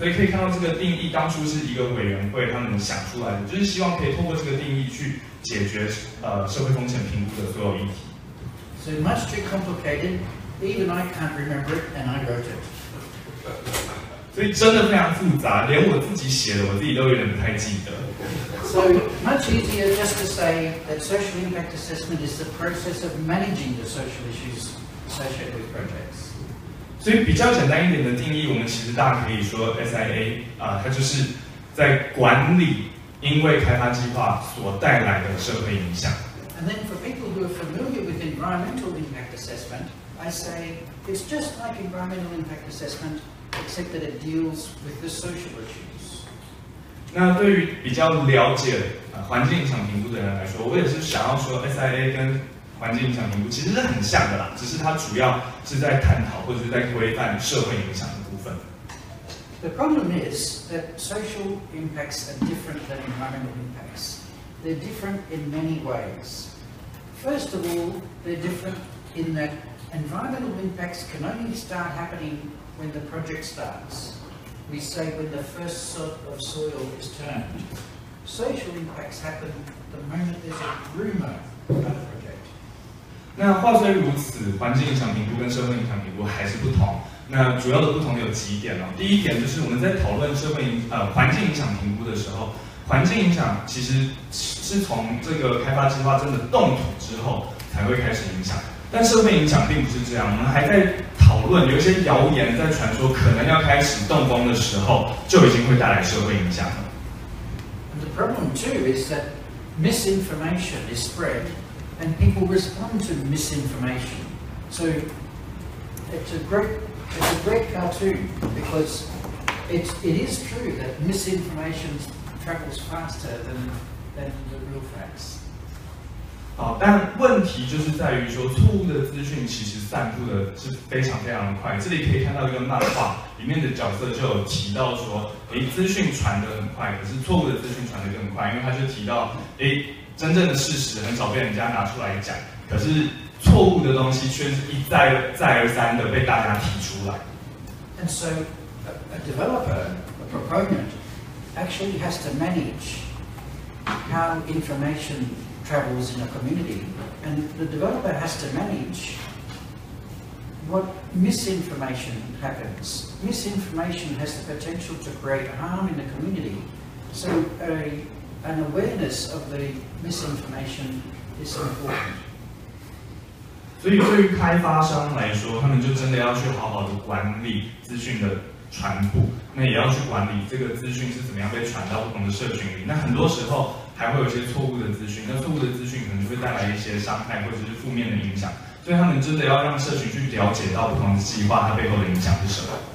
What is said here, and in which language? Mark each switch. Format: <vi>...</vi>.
<zh>所以可以看到这个定义当初是一个委员会他们想出来的，就是希望可以透过这个定义去解决社会风险评估的所有议题。</zh> <en>So much too complicated, even I can't remember it and I wrote it.</en> <zh>所以真的非常复杂，连我自己写的我自己都有点不太记得。</zh> <en>So much easier just to say that social impact assessment is the process of managing the social issues associated with projects.</en> <zh>所以比较简单一点的定义，我们其实大可以说 SIA 它就是在管理因为开发计划所带来的社会影响。</zh> <en>And then for people who are familiar with environmental impact assessment, I say it's just like environmental impact assessment, except that it deals with the social issues.</en> <zh>那对于比较了解环境影响评估的人来说，我也是想要说 SIA 跟环境影响评估其实是很像的啦，只是它主要是在探讨或者是在规范社会影响的部分。</zh> <en>The problem is that social impacts are different than environmental impacts. They're different in many ways. First of all, they're different in that environmental impacts can only start happening when the project starts. We say when the first sort of soil is turned. Social impacts happen the moment there's a rumor about a project.</en> <zh>那话虽如此，环境影响评估跟社会影响评估还是不同。那主要的不同有几点呢？第一点就是我们在讨论社会环境影响评估的时候，环境影响其实是从这个开发计划真的动土之后才会开始影响，但社会影响并不是这样，我们还在讨论，有一些谣言在传说可能要开始动工的时候就已经会带来社会影响了。</zh> <en>And the problem too is that misinformation is spread and people respond to misinformation. So it's a great cartoon because it is true that misinformation travels faster than the real facts.</en> <zh>好，但问题就是在于说，错误的资讯其实散布的是非常非常快。这里可以看到一个漫画，里面的角色就有提到说，诶，资讯传得很快，可是错误的资讯传得更快，因为他就提到，诶，真正的事实很少被人家拿出来讲，可是错误的东西却是一再再而三的被大家提出来。</zh> <en>And so, a developer, a proponent, actually has to manage how information travels in a community, and the developer has to manage what misinformation happens. Misinformation has the potential to create harm in the community, so an awareness of the misinformation is important.</en> <zh>所以对于开发商来说，他们就真的要去好好的管理资讯的传播，那也要去管理这个资讯是怎么样被传到不同的社群里。那很多时候还会有一些错误的资讯，那错误的资讯可能就会带来一些伤害或者是负面的影响，所以他们真的要让社群去了解到不同的计划它背后的影响是什么。</zh>